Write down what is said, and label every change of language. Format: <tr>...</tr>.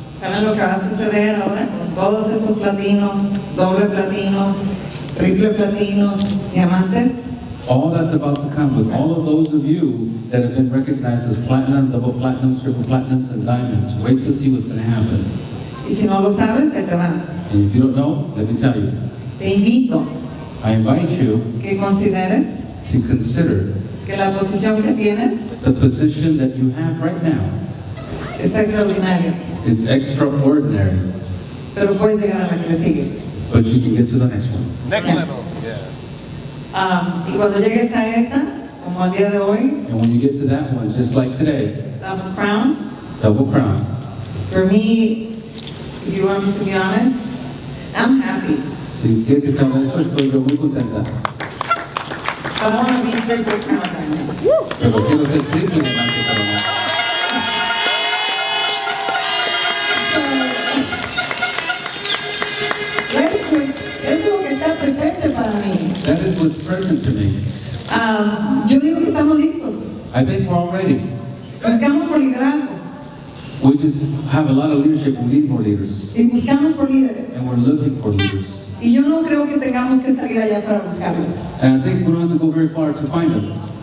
<es>¿Saben lo que va a suceder ahora con todos estos platinos, doble platinos, triple platinos, diamantes?</es> <en>All that's about to come with all of those of you that have been recognized as platinum, double platinum, triple platinum, and diamonds. Wait to see what's going to happen.</en> <es>Y si no lo sabes, ahí te va.</es> <en>And if you don't know, let me tell you.</en> <es>Te invito.</es> <en>I invite you.</en> <es>Que consideres.</es> <en>To consider.</en> <es>Que la posición que tienes.</es> <en>The position that you have right now.</en> <es>Es extraordinario.</es> <en>Is extraordinary.</en> <es>Pero puedes llegar a la que sigue.</es> <en>But you can get to the next one. Next level. Yeah.</en> <es>Y cuando llegues a esa, como al día de hoy,</es> <en>and when you get to that one, just like today, double crown. For me, if you want me to be honest, I'm happy.</en> <es>Si quieres que sea honesto, estoy yo muy contenta.</es> <en>I want to be triple crown</en> <es>then. Pero quiero ser triple crown.</es> <en>So, I'm going to that is what's present to me.</en> <es>Yo digo que estamos listos.</es> <en>I think we're all ready.</en> <es>Buscamos por liderazgo.</es> <en>We just have a lot of leadership. We need more leaders.</en> <es>Y buscamos por líderes.</es> <en>And we're looking for leaders.</en> <es>Y yo no creo que tengamos que salir allá para buscarlos.</es> <en>And I think we don't have to go very far to find them.</en>